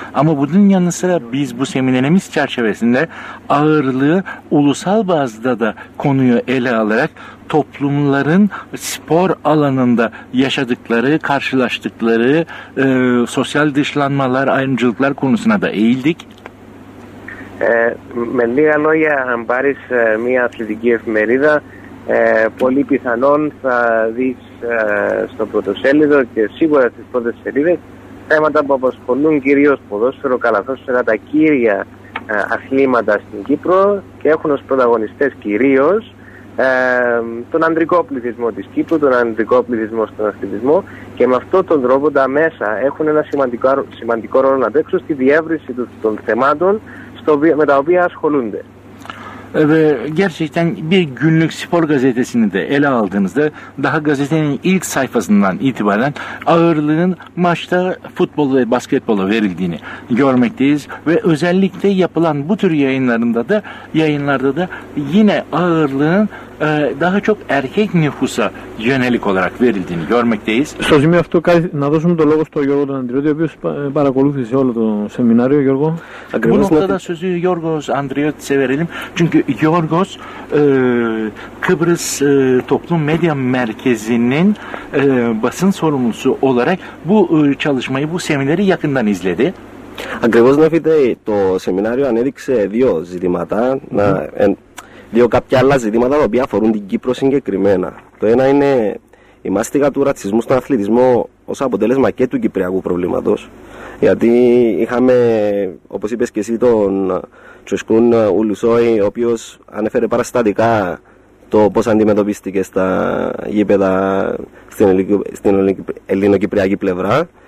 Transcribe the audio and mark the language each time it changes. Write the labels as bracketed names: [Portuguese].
[Turkish] Ama bunun yanı sıra biz bu seminerimiz çerçevesinde ağırlığı ulusal bazda da konuyu ele alarak toplumların spor alanında yaşadıkları, karşılaştıkları sosyal dışlanmalar, ayrımcılıklar konusuna da eğildik. [Greek] Με λίγα λόγια, αν πάρεις μια αθλητική εφημερίδα, πολύ πιθανόν θα δεις στο πρωτοσέλιδο και σίγουρα στις πρώτες σελίδες θέματα που απασχολούν κυρίως ποδόσφαιρο, καλαθώς είναι τα κύρια αθλήματα στην Κύπρο και έχουν ως πρωταγωνιστές κυρίως τον ανδρικό πληθυσμό της Κύπρου, τον ανδρικό πληθυσμό στον αθλητισμό και με αυτόν τον τρόπο τα μέσα έχουν ένα σημαντικό ρόλο να παίξουν στη διεύρυνση των θεμάτων με τα οποία ασχολούνται. [Turkish] Gerçekten bir günlük spor gazetesini de ele aldığınızda daha gazetenin ilk sayfasından itibaren ağırlığın maçta futbol ve basketbola verildiğini görmekteyiz ve özellikle yapılan bu tür yayınlarda da yine ağırlığın daha çok erkek nüfusa yönelik olarak verildiğini görmekteyiz. Sözümü [Greek] αυτό να δώσουμε το λόγο στο Γιώργο Αντριώτη, ο οποίος παρακολούθησε όλο το σεμινάριο. Γιώργο. [Turkish] Bu noktada sözü Γιώργος Αντριώτη'ye verelim. Çünkü Γιώργος Kıbrıs Toplum Medya Merkezi'nin basın sorumlusu olarak bu çalışmayı, bu semineri yakından izledi. [Greek] Ακριβώς, Νεφίτε, το σεμινάριο ανέδειξε δύο ζητήματα. Δύο κάποια άλλα ζητήματα τα οποία αφορούν την Κύπρο συγκεκριμένα. Το ένα είναι η μάστιγα του ρατσισμού στον αθλητισμό ως αποτέλεσμα και του κυπριακού προβλήματος. Γιατί είχαμε, όπως είπες και εσύ, τον Τσοσκούν Ουλουσόη, ο οποίος ανέφερε παραστατικά το πώς αντιμετωπίστηκε στα γήπεδα στην ελληνοκυπριακή πλευρά.